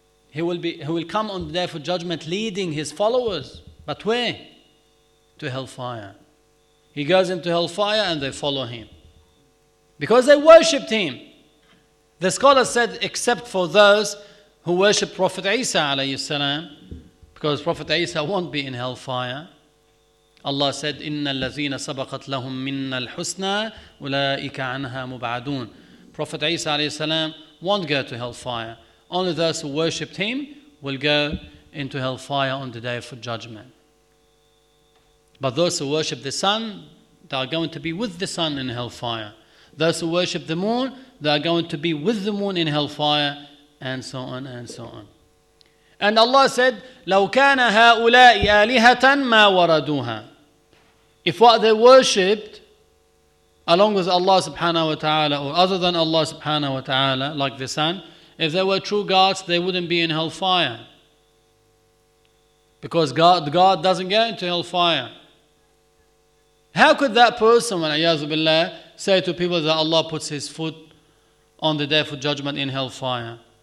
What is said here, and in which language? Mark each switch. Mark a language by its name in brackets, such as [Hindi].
[English] He will come on the day of judgment leading his followers. But where? To hellfire. He goes into hellfire and they follow him. Because they worshipped him. The scholar said, except for those who worship Prophet Isa alayhi salam, because Prophet Isa won't be in hellfire. Allah said, [Arabic] إِنَّ الَّذِينَ سَبَقَتْ لَهُمْ مِنَّ الْحُسْنَى أُولَٰئِكَ عَنْهَا مُبْعَدُونَ. [English] Prophet Isa alayhi salam won't go to hellfire. Only those who worshipped him will go into hellfire on the day of judgment. But those who worship the sun, they are going to be with the sun in hellfire. Those who worship the moon, they are going to be with the moon in hellfire, and so on and so on. And Allah said, [Arabic] لَوْ كَانَ هَؤُلَاءِ آلِهَةً مَا وَرَدُوهَا. [English] If what they worshipped, along with Allah subhanahu wa ta'ala, or other than Allah subhanahu wa ta'ala, like the sun, if they were true gods, they wouldn't be in hellfire. Because God doesn't go into hellfire. How could that person, [Arabic] وَالْعِيَاذُ بِاللَّهِ, [English] say to people that Allah puts his foot on the day of judgment in hellfire?